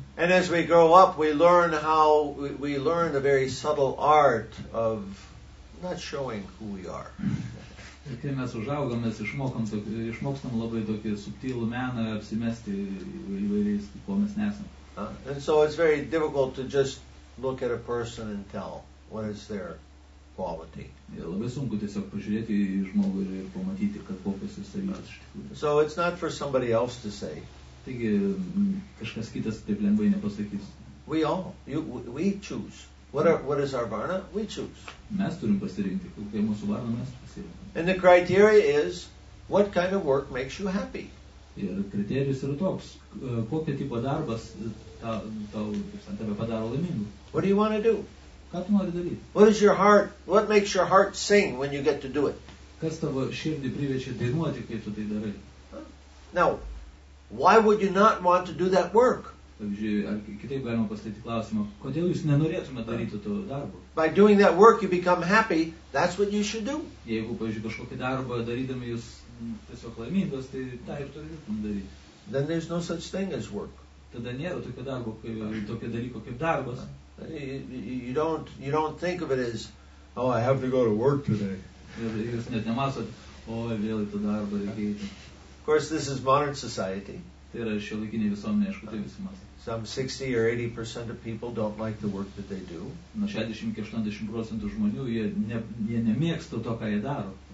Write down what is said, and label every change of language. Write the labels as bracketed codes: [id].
[en] And as we grow up, we learn how, we learn a very subtle art of not showing who we are. [lt] Ir kai mes užaugom, mes išmokstam labai tokį subtilų meną apsimesti įvairiais, ko mes nesam. [en] And so it's very difficult to just look at a person and tell what is their quality. [lt] Labai sunku tiesiog pažiūrėti į žmogų ir pamatyti, kad kokios jis savybės iš tikrųjų. [en] So it's not for somebody else to say. [lt] Taigi kažkas kitas taip lengvai nepasakys. [en] We all, we choose. What is our varna? We choose. [lt] Mes turim pasirinkti, kokia mūsų varna mes pasirinkti. [en] And the criteria is, what kind of work makes you happy? [lt] Ir kriterijus yra toks, kokio tipo darbas tave padaro laimingu. [en] What do you want to do? [lt] Ką tu nori daryti? [en] What is your heart, what makes your heart sing when you get to do it? [lt] Kas tavo širdį priverčia dainuoti, kai tu tai darai? [en] Now, why would you not want to do that work? [lt] Pavyzdžiui, kitaip galima pastatyti klausimą, kodėl jūs nenorėtumėte daryti to darbo? [en] By doing that work you become happy, that's what you should do. [lt] Jeigu, pavyzdžiui, kažkokį darbą darydami jūs tiesiog laimingas, tai tą ir turėtum daryti. [en] Then there's no such thing as work. [lt] Tada nėra tokio darbo, tokio dalyko kaip darbas. [en] You don't think of it as, oh, I have to go to work today. [lt] Jūs net nemasot, oi, vėl į tą darbą reikia. [en] Of course, this is modern society. [lt] tai yra šiuolaikinė visuomenė, aišku, tai visi mąsta. [en] Some 60 or 80% of people don't like the work that they do. [lt] Nuo 60-80% žmonių jie nemėgsta to, ką jie daro.